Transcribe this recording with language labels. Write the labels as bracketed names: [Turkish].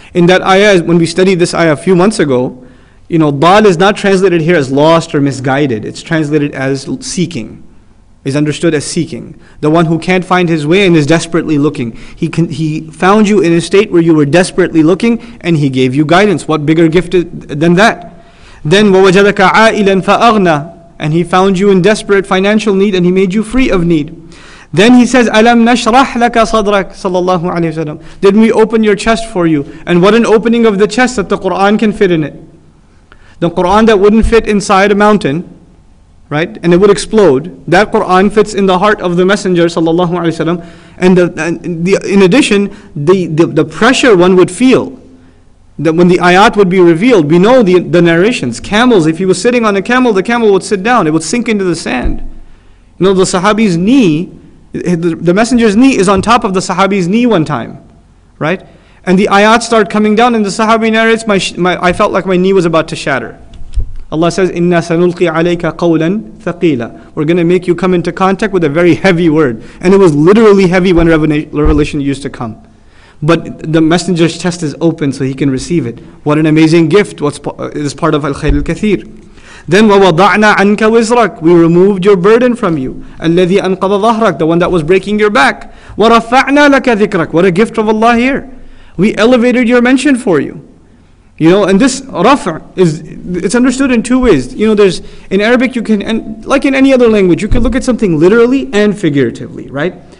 [English] In that ayah, when we studied this ayah a few months ago, you know, ضَال is not translated here as lost or misguided. It's translated as seeking. Is understood as seeking. The one who can't find his way and is desperately looking. He found you in a state where you were desperately looking and he gave you guidance. What bigger gift than that? [Arabic] Then, وَوَجَدَكَ عَائِلًا فَأَغْنَى. [English] And he found you in desperate financial need and he made you free of need. Then he says, [Arabic] أَلَمْ نَشْرَحْ لَكَ صَدْرَكَ [English] sallallahu alayhi wa sallam. Didn't we open your chest for you? And what an opening of the chest that the Qur'an can fit in it. The Qur'an that wouldn't fit inside a mountain, right, and it would explode. That Quran fits in the heart of the Messenger, sallallahu alaihi wasallam. And in addition, the pressure one would feel that when the ayat would be revealed, we know the narrations. Camels, if he was sitting on a camel, the camel would sit down. It would sink into the sand. You know, the Sahabi's knee, the Messenger's knee is on top of the Sahabi's knee one time, right? And the ayat start coming down, and the Sahabi narrates, "I felt like my knee was about to shatter." Allah says, [Arabic] "Inna sanulqi alayka qawlan thaqila." [English] We're going to make you come into contact with a very heavy word. And it was literally heavy when revelation used to come. But the messenger's chest is open so he can receive it. What an amazing gift. It's part of al-khayr al-kathir. [Arabic] Then, وَوَضَعْنَا عَنْكَ وِزْرَكَ. [English] We removed your burden from you. [Arabic] الَّذِي أَنْقَضَ ظَهْرَكَ. [English] The one that was breaking your back. [Arabic] وَرَفَعْنَا لَكَ ذِكْرَكَ. [English] What a gift of Allah here. We elevated your mention for you. You know, and this رفع is, it's understood in two ways. You know, there's, in Arabic you can, and like in any other language, you can look at something literally and figuratively, right?